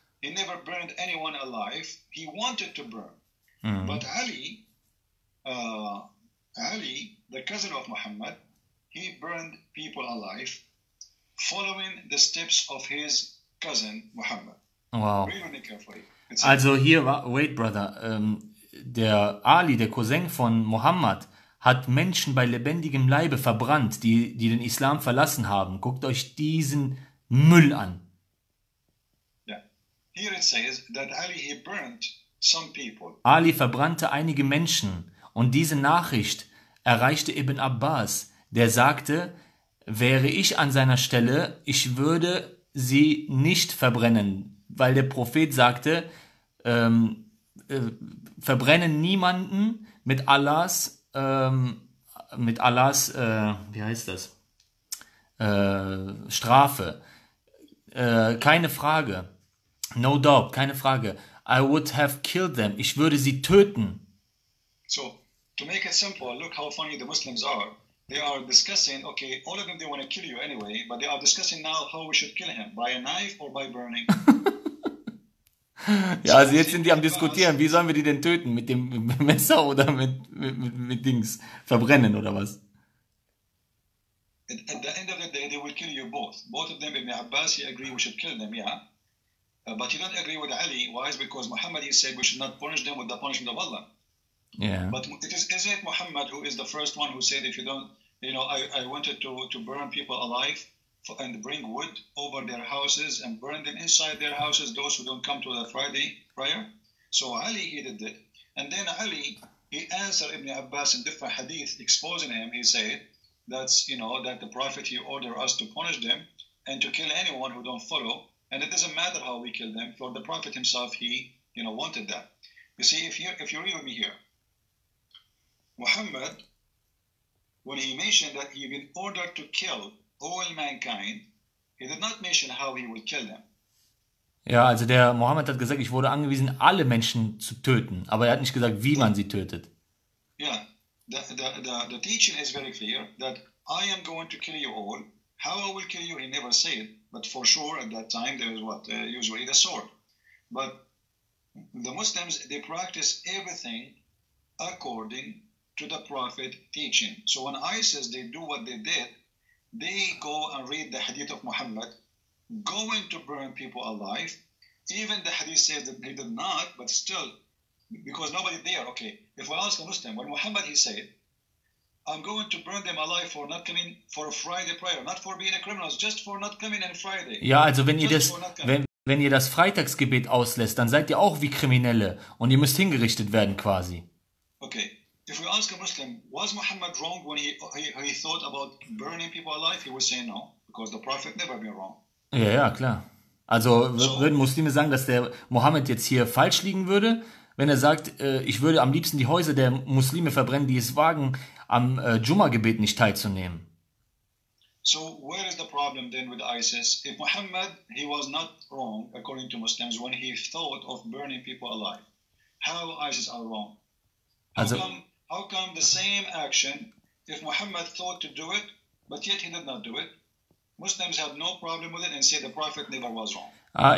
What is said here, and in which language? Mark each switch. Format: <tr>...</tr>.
<en>He never burned anyone alive. He wanted to burn. But Ali, the cousin of Muhammad, he burned people alive following the steps of his cousin Muhammad. Wow.</en> <de>Also hier,</de> <en>wait brother,</en> <de>der Ali, der Cousin von Muhammad, hat Menschen bei lebendigem Leibe verbrannt, die den Islam verlassen haben. Guckt euch diesen Müll an.</de> <en>Yeah. Here it says that Ali, he burnt some people.</en> <de>Ali verbrannte einige Menschen und diese Nachricht erreichte Ibn Abbas, der sagte, wäre ich an seiner Stelle, ich würde sie nicht verbrennen. Weil der Prophet sagte, verbrenne niemanden mit Allahs, wie heißt das? Strafe. Keine Frage.</de> <en>No doubt,</en> <de>keine Frage.</de> <en>I would have killed them.</en> <de>Ich würde sie töten.</de> <en>So, to make it simple, look how funny the Muslims are. They are discussing, okay, all of them, they want to kill you anyway, but they are discussing now how we should kill him. By a knife or by burning?</en> <de>Ja, also jetzt sind die am Diskutieren, wie sollen wir die denn töten? Mit dem Messer oder mit Dings? Verbrennen oder was?</de> <en>At the end of the day, they will kill you both. Both of them, Ibn Abbas, he agree we should kill them, yeah. But you don't agree with Ali. Why? It's because Muhammad, he said we should not punish them with the punishment of Allah. Yeah. But is it Muhammad who is the first one who said, if you don't, you know, I wanted to burn people alive? And bring wood over their houses and burn them inside their houses, those who don't come to the Friday prayer. So Ali, he did it. And then Ali, he answered Ibn Abbas in different hadith exposing him. He said, that's, you know, that the Prophet, he ordered us to punish them and to kill anyone who don't follow. And it doesn't matter how we kill them, for the Prophet himself, he, you know, wanted that. You see, if you read with me here, Muhammad, when he mentioned that he'd been ordered to kill all mankind, he did not mention how he would kill them.</en> <de>Ja, also der Mohammed hat gesagt, ich wurde angewiesen, alle Menschen zu töten, aber er hat nicht gesagt, wie man sie tötet.</de> <en>Yeah, the teaching is very clear that I am going to kill you all. How I will kill you, he never said, but for sure at that time there is what, usually the sword. But the Muslims, they practice everything according to the Prophet teaching. So when ISIS, they do what they did, they go and read the hadith of Muhammad going to burn people alive. Even the hadith says that they did not, but still, because nobody there. Okay, if we ask a Muslim, when Muhammad, he said, I'm going to burn them alive for not coming for a Friday prayer, not for being a criminal, just for not coming on Friday.</en> <de>Ja, also wenn ihr das Freitagsgebet auslässt, dann seid ihr auch wie Kriminelle und ihr müsst hingerichtet werden quasi.</de> <en>Okay. If we ask a Muslim, was Muhammad wrong when he thought about burning people alive? He would say no, because the Prophet never been wrong.</en> <de>Ja, ja, klar. Also würden Muslime sagen, dass der Mohammed jetzt hier falsch liegen würde, wenn er sagt, ich würde am liebsten die Häuser der Muslime verbrennen, die es wagen, am Jumma-Gebet nicht teilzunehmen.</de> <en>So where is the problem then with ISIS? If Muhammad, he was not wrong, according to Muslims, when he thought of burning people alive, how ISIS are wrong?</en> <de>Also,</de> <en>how come the same action, if Muhammad thought to do it, but yet he did not do it, Muslims have no problem with it and say the Prophet never was wrong.</en>